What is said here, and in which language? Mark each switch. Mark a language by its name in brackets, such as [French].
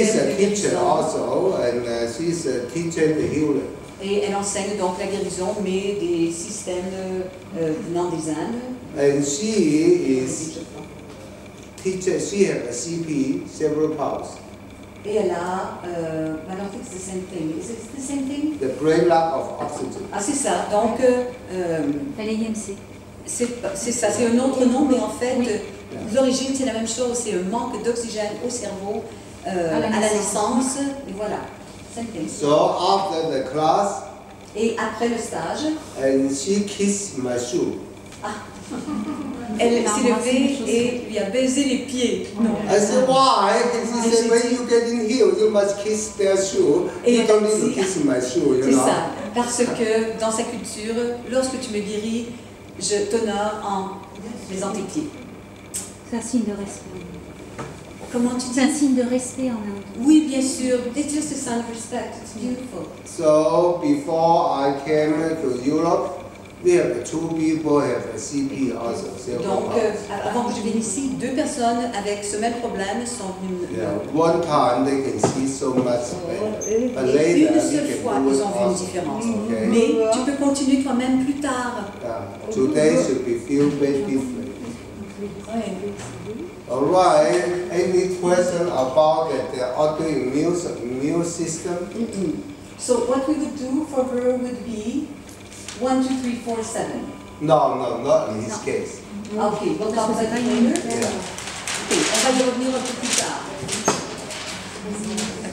[English] She's a teacher also, and she's a teacher the healer. [French] Et elle enseigne donc la guérison, mais des systèmes venant des Indes. [English] And she is teacher. She has a CP, cerebral palsy. [French] Et elle a, [English] I don't think it's the same thing. Is it the same thing? The brain lack of oxygen. [French] Ah, c'est ça. Donc. Elle est IMC. C'est ça. C'est un autre nom, mais en fait. Oui. Yeah. L'origine, c'est la même chose, c'est le manque d'oxygène au cerveau à la naissance, et voilà. [English] So after the class, [French] et après le stage, [English] and she kissed my shoe. Ah. [French] Elle s'est levée et lui a baisé les pieds. [English] Non. I said, why? She said, when you get in here, you must kiss their shoe. Et you don't need to kiss my shoe, you [French] c'est [English] know? [French] C'est ça, parce que dans sa culture, lorsque tu me guéris, je t'honore en baisant tes pieds. C'est un signe de respect. Comment tu dis? C'est un signe de respect en Inde. Oui, bien sûr. [English] It's just a sign of respect. It's beautiful. So before I came to Europe, we have two people have a CP also. [French] Donc avant que je vienne ici, deux personnes avec ce même problème sont venues. [English] Yeah, one time they can see so much better. [French] Et une seule fois, ils ont vu une différence. Mais tu peux continuer toi-même plus tard. [English] Yeah. Today should be feel very different. All right. Any question about the autoimmune system? Mm-hmm. So what we would do for her would be 1, 2, 3, 4, 7. No, not in his case. Okay, we'll talk about that later. Yeah. [French] Okay, on va y revenir un peu plus tard.